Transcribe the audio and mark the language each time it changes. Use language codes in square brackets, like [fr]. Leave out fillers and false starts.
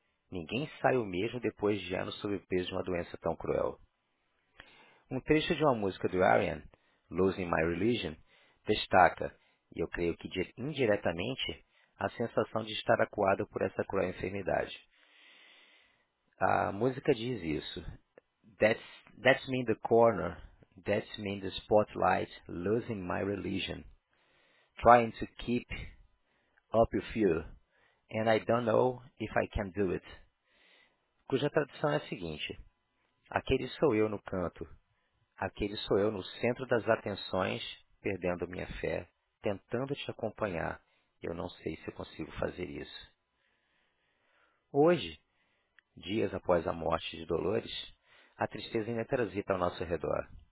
[pt] Ninguém sai o mesmo depois de anos sob o peso de uma doença tão cruel. Um trecho de uma música do Ariane, Losing My Religion, destaca, e eu creio que indiretamente, a sensação de estar acuado por essa cruel enfermidade. A música diz isso. [en] That's me in the corner, that's me in the spotlight, losing my religion, trying to keep up with you, and I don't know if I can do it. [pt] Cuja tradução é a seguinte: aquele sou eu no canto, aquele sou eu no centro das atenções, perdendo minha fé, tentando te acompanhar. Eu não sei se eu consigo fazer isso. Hoje, dias após a morte de Dolores, a tristeza ainda transita ao nosso redor.